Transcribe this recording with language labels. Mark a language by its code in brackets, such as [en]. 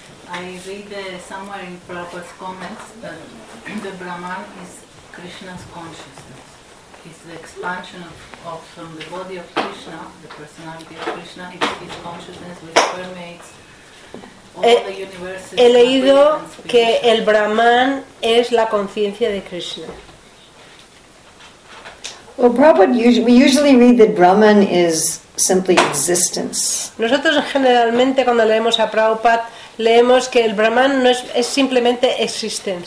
[en] I read somewhere in Prabhupada's comments that the Brahman is Krishna's consciousness. Is the expansion of from the body of Krishna, the personality of Krishna, his consciousness which permeates all the universes. [es] He leído que el Brahman es la conciencia de Krishna. [en] Well, Prabhupada, we usually read that Brahman is simply existence. [es] Nosotros generalmente cuando leemos a Prabhupada leemos que el Brahman no es simplemente existencia.